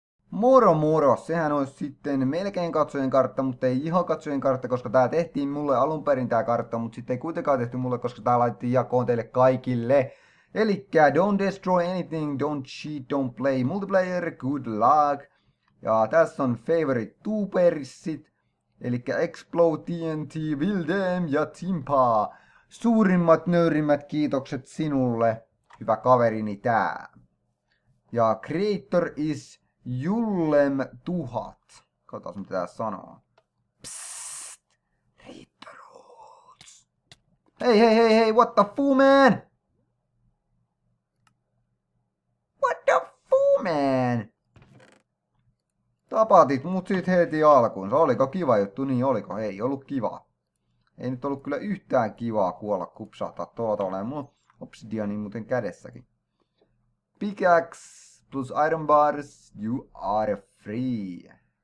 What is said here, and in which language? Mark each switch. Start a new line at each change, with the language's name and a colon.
Finnish: Moro moro, sehän on sitten melkein katsojen kartta, mutta ei ihan katsojen kartta, koska tää tehtiin mulle alun perin tää kartta, mutta sitten ei kuitenkaan tehty mulle, koska tää laitettiin jakoon teille kaikille.
English: Elikkä don't destroy anything, don't cheat, don't play multiplayer, good luck.
Finnish: Ja tässä on favorite tubersit, elikkä Explode TNT, Wildem ja Timpa. Suurimmat nöyrimmät kiitokset sinulle, hyvä kaverini tää.
English: Ja creator is Jullem 1000.
Finnish: Katsotaan mitä tää sanoo. Psst. Riittaruus.
English: Hei, what the fuu, man? What the fuu, man?
Finnish: Tapatit mut sit heti alkuun. Se oliko kiva juttu? Niin oliko? Ei ollut kiva. Ei nyt ollut kyllä yhtään kivaa kuolla kupsahtaa tuolla tavalla. Mulla obsidiani muuten kädessäkin.
English: Pickaxe. Plus iron bars, you are free.